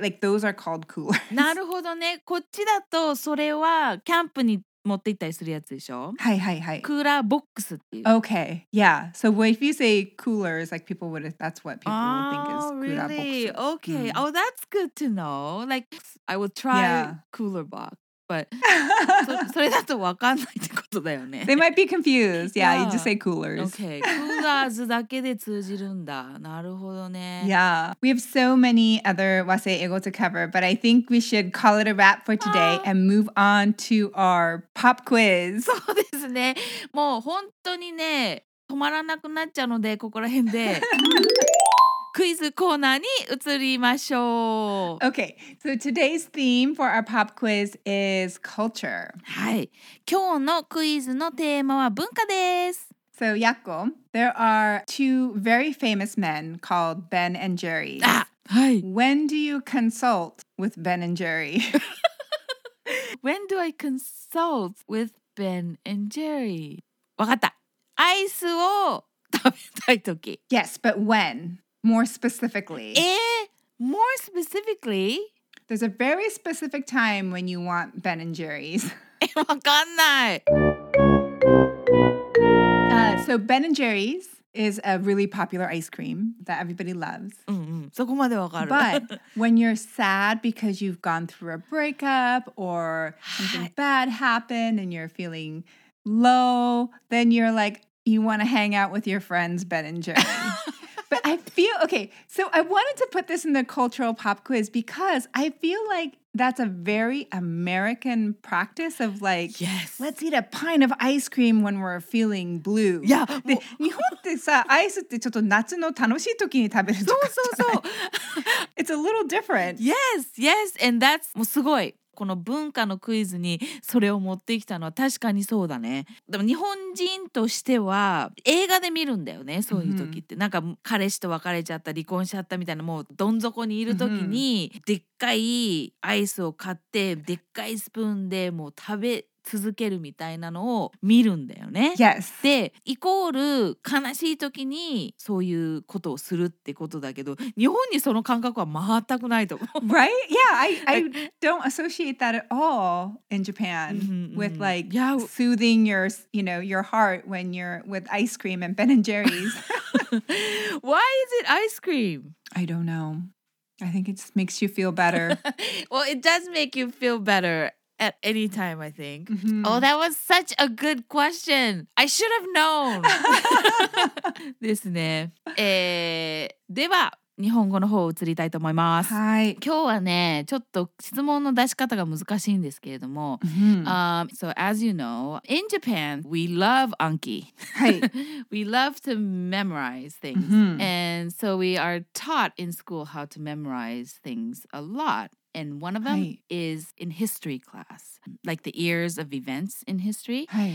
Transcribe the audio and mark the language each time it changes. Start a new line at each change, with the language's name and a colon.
English: Like those are called coolers.
Japanese: なるほどね。こっちだとそれはキャンプに持って行ったりするやつでしょ？はいはいはい。クーラーボックスっていう。
English: Okay, yeah. So if you say cooler, it's like people would, that's what people would think is cooler box. Oh, really? Okay. Mm. Oh, that's good to know. Like, I would try cooler box, but
Japanese: それだと分かんないってことだよね。
English: They might be confused. Yeah, you just say coolers. Okay, coolers
Japanese: だけで通じるんだ。なるほどね。
English: Yeah. We have so many other waseego to cover, but I think we should call it a wrap for today and move on to our pop quiz.
Japanese: そうですね。もう本当にね、止まらなくなっちゃうので、ここら辺で。クイズコーナーに移りましょう。
English: Okay, so today's theme for our pop quiz is culture.
Japanese: はい、今日のクイズのテーマは文化です。
English: So, Yakko, there are two very famous men called Ben and Jerry.
Japanese: あ、はい。
English: When do you consult with Ben and Jerry? When do I consult with Ben and Jerry?
Japanese: わかった。アイスを食べたいとき。
English: Yes, but when? More specifically. More specifically? There's a very specific time when you want Ben and Jerry's.
Japanese: わかんない。
English: So Ben and Jerry's is a really popular ice cream that everybody loves.
Japanese: そこまでわかる。
English: But when you're sad because you've gone through a breakup or something bad happened and you're feeling low, then you're like, you want to hang out with your friends Ben and Jerry's. But I feel, okay, so I wanted to put this in the cultural pop quiz because I feel like that's a very American practice of like, yes. Let's eat a pint of ice cream when we're feeling blue. Yeah.
Japanese: で、日本ってさ、アイスってちょっと夏の楽しい時に食べるとか。そうそうそう。
English: It's a little different. Yes, yes. And that's,
Japanese: もうすごい。この文化のクイズにそれを持ってきたのは確かにそうだね。でも日本人としては映画で見るんだよね、そういう時って。 Mm-hmm. なんか彼氏と別れちゃった、離婚しちゃったみたいな、もうどん底にいる時に、mm-hmm. でっかいアイスを買ってでっかいスプーンでもう食べ続けるみたいなのを見るんだよね。
English: Yes.
Japanese: で、イコール悲しい時にそういうことをするってことだけど、日本にその感覚は全くないと思う。
English: Right? Yeah, I don't associate that at all in Japan with like soothing your, you know, your heart when you're with ice cream and Ben and Jerry's. Why is it ice cream? I don't know. I think it just makes you feel better. Well, it does make you feel better. At any time, I think. Mm-hmm. Oh, that was such a good question. I should have known. This ね。
Japanese: では、日本語の方を移りたいと思います。はい。今日はね、ちょっと質問の出し方が難しいんですけれども。
English: Mm-hmm. So, as you know, in Japan, we love Anki.
Japanese: はい。
English: We love to memorize things. Mm-hmm. And so we are taught in school how to memorize things a lot. And one of them is in history class, like the years of events in history.